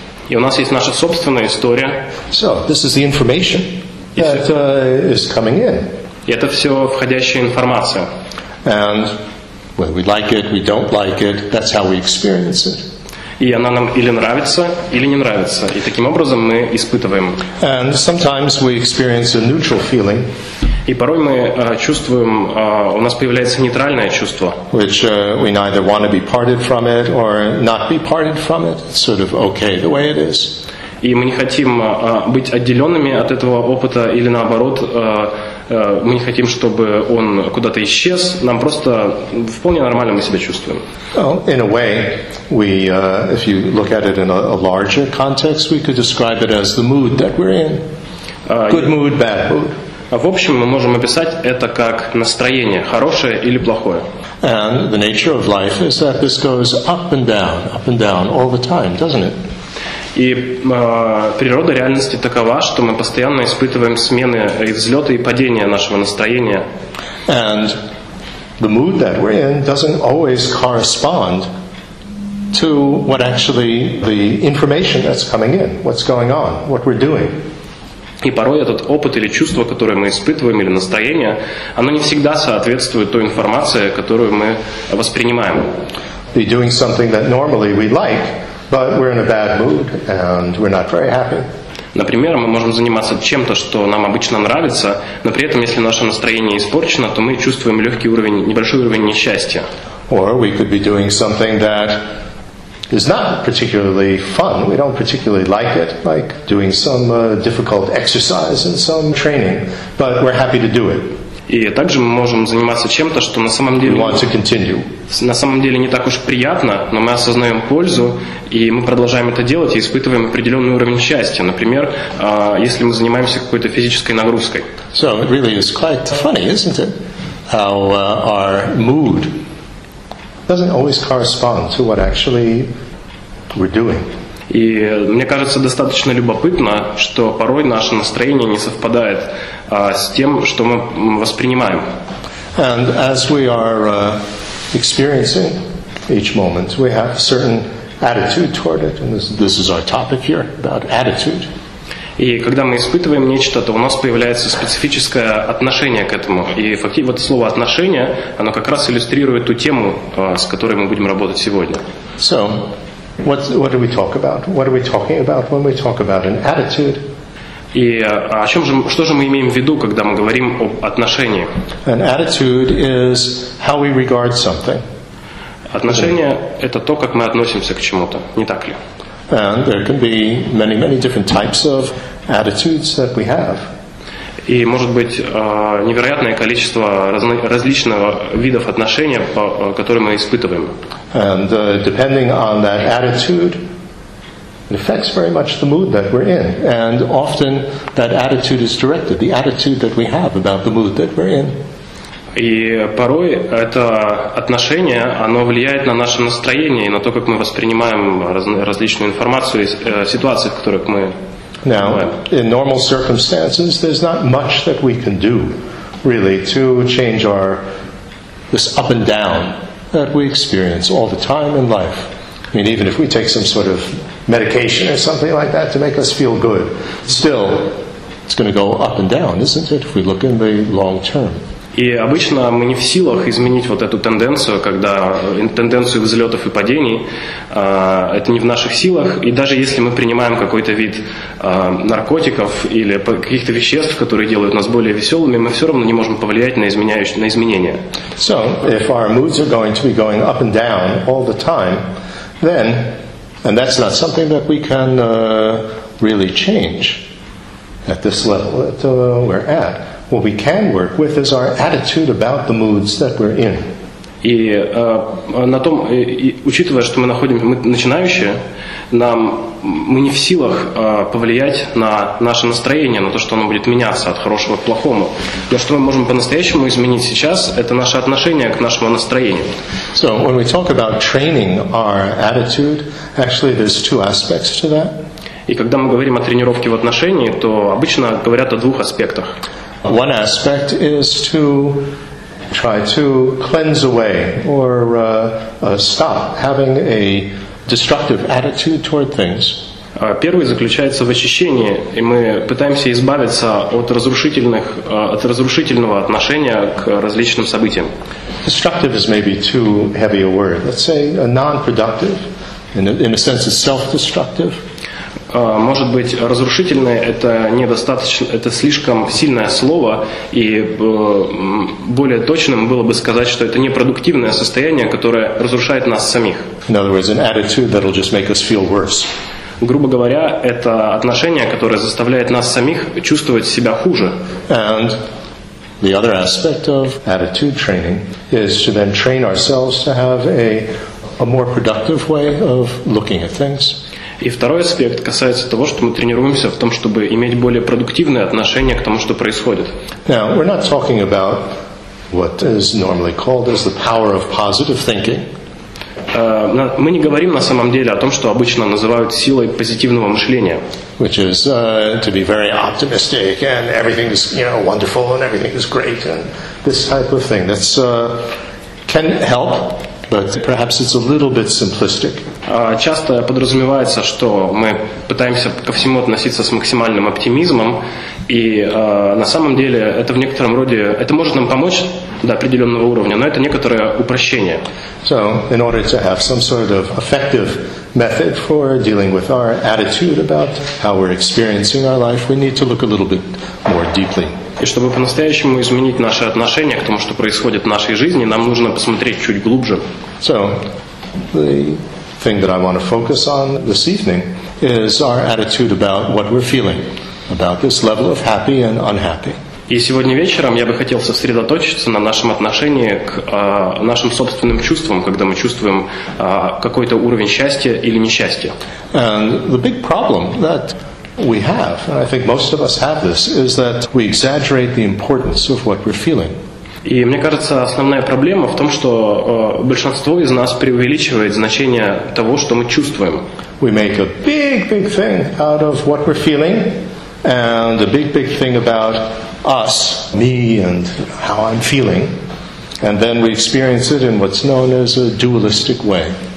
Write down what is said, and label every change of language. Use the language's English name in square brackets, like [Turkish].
[Russian] И у нас есть наша собственная история. [English] So this is the information that is coming in. [Russian] И это все входящая информация. [English] And well, we like it, we don't like it. That's how we experience it. [Russian] И она нам или нравится, или не нравится. И таким образом мы испытываем. [English] And sometimes we experience a neutral feeling. [Russian] И порой мы чувствуем, у нас появляется нейтральное чувство. [English] Which we neither want to be parted from it or not be parted from it. It's sort of okay the way it is. [Russian] И мы не хотим быть отделенными от этого опыта, или наоборот, мы не хотим, чтобы он куда-то исчез. Нам просто вполне нормально мы себя чувствуем. [English] Well, in a way, we, if you look at it in a larger context, we could describe it as the mood that we're in. Good mood, bad mood. [Russian] В общем, мы можем описать это как настроение, хорошее или плохое. [English] And the nature of life is that this goes up and down all the time, doesn't it? [Russian] И природа реальности такова, что мы постоянно испытываем смены и взлеты и падения нашего настроения. [English] And the mood that we're in doesn't always correspond to what actually the information that's coming in, what's going on, what we're doing. [Russian] И порой этот опыт или чувство, которое мы испытываем, или настроение, оно не всегда соответствует той информации, которую мы воспринимаем. [English] Be doing something that normally we like, but we're in a bad mood and we're not very happy. [Russian] Например, мы можем заниматься чем-то, что нам обычно нравится, но при этом, если наше настроение испорчено, то мы чувствуем легкий уровень, небольшой уровень несчастья. [English] Or we could be doing something that is not particularly fun. We don't particularly like it, like doing some difficult exercise and some training, but we're happy to do it. [Russian] И также мы можем заниматься чем-то, что на самом деле, не так уж приятно, но мы осознаем пользу, и мы продолжаем это делать и испытываем определенный уровень счастья. Например, если мы занимаемся какой-то физической нагрузкой. [English] So it really is quite funny, isn't it? How our mood doesn't always correspond to what actually we're doing. [Russian] И мне кажется достаточно любопытно, что порой наше настроение не совпадает с тем, что мы воспринимаем. [English] And as we are experiencing each moment, we have a certain attitude toward it. And this is our topic here, about attitude. [Russian] И когда мы испытываем нечто, то у нас появляется специфическое отношение к этому. И фактически вот слово «отношение», оно как раз иллюстрирует ту тему, с которой мы будем работать сегодня. [English] So, what do we talk about? What are we talking about when we talk about an attitude? [Russian] И о чем же, что же мы имеем в виду, когда мы говорим об отношении? [English] An attitude is how we regard something. [Russian] Отношение – это то, как мы относимся к чему-то, не так ли? [English] And there can be many, many different types of attitudes that we have. [Russian] И может быть невероятное количество различных видов отношений, которые мы испытываем. [English] And depending on that attitude, it affects very much the mood that we're in. And often that attitude is directed, the attitude that we have about the mood that we're in. [Russian] И порой это отношение, оно влияет на наше настроение и на то, как мы воспринимаем различную информацию и ситуации, в которых мы... [English] Now, in normal circumstances, there's not much that we can do, really, to change our this up and down that we experience all the time in life. I mean, even if we take some sort of medication or something like that to make us feel good, still, it's going to go up and down, isn't it, if we look in the long term. [Russian] И обычно мы не в силах изменить вот эту тенденцию, когда тенденцию взлетов и падений, это не в наших силах. И даже если мы принимаем какой-то вид наркотиков или каких-то веществ, которые делают нас более веселыми, мы все равно не можем повлиять на изменения. [English] So, if our moods are going to be going up and down all the time, then, and that's not something that we can really change at this level that we're at. What we can work with is our attitude about the moods that we're in. [Russian] И на том, учитывая, что мы находимся, мы начинающие, мы не в силах повлиять на наше настроение, на то, что оно будет меняться от хорошего к плохому. Но что мы можем по-настоящему изменить сейчас, это наше отношение к нашему настроению. [English] So, when we talk about training our attitude, actually there's two aspects to that. [Russian] И когда мы говорим о тренировке в отношении, то обычно говорят о двух аспектах. [English] One aspect is to try to cleanse away or stop having a destructive attitude toward things. [Russian] Первый заключается в очищении, и мы пытаемся избавиться от разрушительного отношения к различным событиям. [English] Destructive is maybe too heavy a word. Let's say a non-productive, in a sense it's self-destructive. [Russian] Может быть, разрушительное – это недостаточно, это слишком сильное слово, и более точным было бы сказать, что это непродуктивное состояние, которое разрушает нас самих. [English] In other words, an attitude that will just make us feel worse. [Russian] Грубо говоря, это отношение, которое заставляет нас самих чувствовать себя хуже. [English] And the other aspect of attitude training is to then train ourselves to have a more productive way of looking at things. [Russian] И второй аспект касается того, что мы тренируемся в том, чтобы иметь более продуктивное отношение к тому, что происходит. [English] Now, we're not talking about what is normally called as the power of positive thinking. [Russian] Мы не говорим на самом деле о том, что обычно называют силой позитивного мышления. [English] Which is to be very optimistic and everything is, you know, wonderful and everything is great and this type of thing. That's can help. But perhaps it's a little bit simplistic. [Russian] Часто подразумевается, что мы пытаемся ко всему относиться с максимальным оптимизмом, и на самом деле это в некотором роде это может нам помочь до определенного уровня, но это некоторое упрощение. [English] So, in order to have some sort of effective method for dealing with our attitude about how we're experiencing our life, we need to look a little bit more deeply. [Russian] И чтобы по-настоящему изменить наше отношение к тому, что происходит в нашей жизни, нам нужно посмотреть чуть глубже. [English] So, the thing that I want to focus on this evening is our attitude about what we're feeling, about this level of happy and unhappy. [Russian] И сегодня вечером я бы хотел сосредоточиться на нашем отношении к нашим собственным чувствам, когда мы чувствуем какой-то уровень счастья или несчастья. [English] And the big problem that we have, and I think most of us have this, is that we exaggerate the importance of what we're feeling. [Russian] И мне кажется, основная проблема в том, что большинство из нас преувеличивает значение того, что мы чувствуем. [English] We make a big, big thing out of what we're feeling, and a big, big thing about us, me, and how I'm feeling. And then we experience it in what's known as a dualistic way.